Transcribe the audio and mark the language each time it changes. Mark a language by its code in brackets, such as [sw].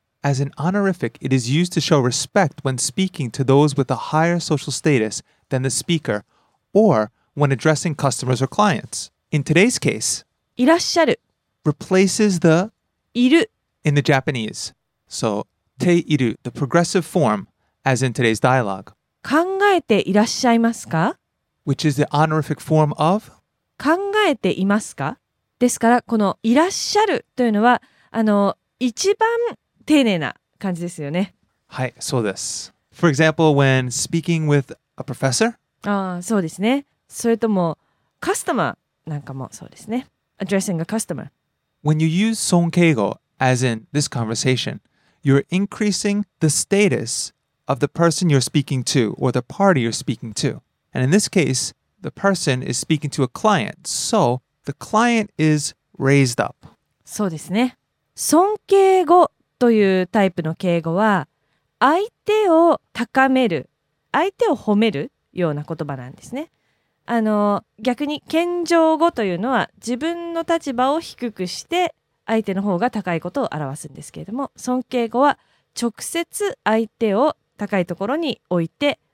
[en] As an honorific, it is used to show respect when speaking to those with a higher social status than the speaker or when addressing customers or clients. In today's case, [ja] いらっしゃる [en] replaces the [ja] いる [en] in the Japanese. So, ている, the progressive form, as in today's dialogue. [ja] 考えていらっしゃいますか? [en] Which is the honorific form of? [ja] 考えていますか? ですからこのいらっしゃるというのはあの一番丁寧な感じですよね。はい、そうです。 [en] For example, when speaking with a professor? [ja] ああ、そうですね。それともカスタマーなんかもそうですね。 [en] Addressing a customer. When you use 尊敬語, as in this conversation, you're increasing the status of the person you're speaking to or the party you're speaking to. And in this case, the person is speaking to a client. So, the client is raised up. [ja] そうですね。尊敬語というタイプの敬語は相手を高める、相手を褒めるような言葉なんですね。あの、逆に謙譲語というのは自分の立場を低くして相手の方が高いことを表すんですけれども、尊敬語は直接相手を高いところに置いて